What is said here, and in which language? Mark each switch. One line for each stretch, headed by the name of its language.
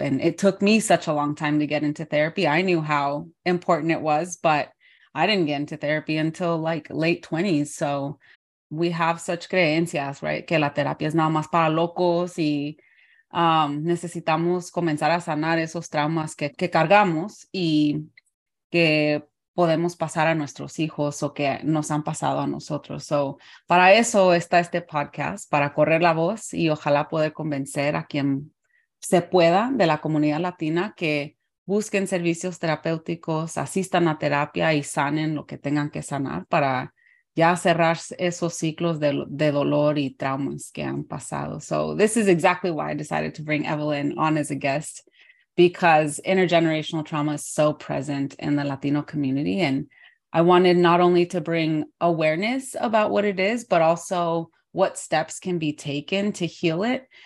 English: And it took me such a long time to get into therapy. I knew how important it was, but I didn't get into therapy until like late 20s. So we have such creencias, right?
Spanish: Que la terapia es nada más para locos, y necesitamos comenzar a sanar esos traumas que cargamos y que podemos pasar a nuestros hijos o que nos han pasado a nosotros. So, para eso está este podcast, para correr la voz y ojalá poder convencer a quien se pueda de la comunidad latina que busquen servicios terapéuticos, asistan a terapia y sanen lo que tengan que sanar, para ya cerrar esos ciclos de dolor y traumas que han pasado.
English: So, this is exactly why I decided to bring Evelyn on as a guest, because intergenerational trauma is so present in the Latino community. And I wanted not only to bring awareness about what it is, but also what steps can be taken to heal it.